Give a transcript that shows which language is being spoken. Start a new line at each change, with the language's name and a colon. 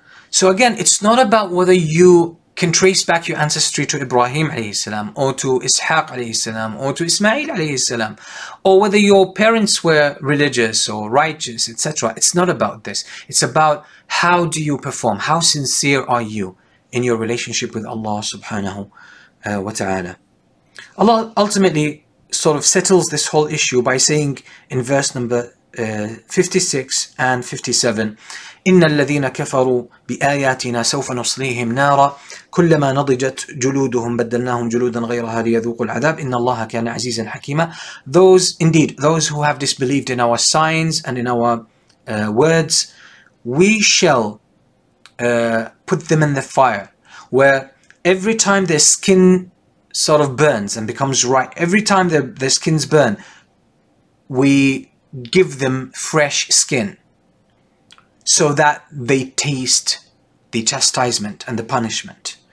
English: So again, it's not about whether you can trace back your ancestry to Ibrahim alayhi salam, or to Ishaq alayhi salam, or to Ismail alayhi salam, or whether your parents were religious or righteous, etc. It's not about this. It's about how do you perform? How sincere are you in your relationship with Allah subhanahu wa ta'ala? Allah ultimately sort of settles this whole issue by saying in verse number 56 and 57,
Arabic: إِنَّ الَّذِينَ كَفَرُوا بِآيَاتِنَا سَوْفَ نُصْلِيهِمْ نَارًا كُلَّمَا نَضِجَتْ جُلُودُهُمْ بَدَّلْنَاهُمْ جُلُودًا غَيْرَهَا لِيَذُوقُوا الْعَذَابِ إِنَّ اللَّهَ كَانَ عَزِيزًا حَكِيمًا.
English: Those who have disbelieved in our signs and in our words, we shall put them in the fire, where every time their skin sort of burns and becomes right, every time their skins burn, we give them fresh skin, so that they taste the chastisement and the punishment.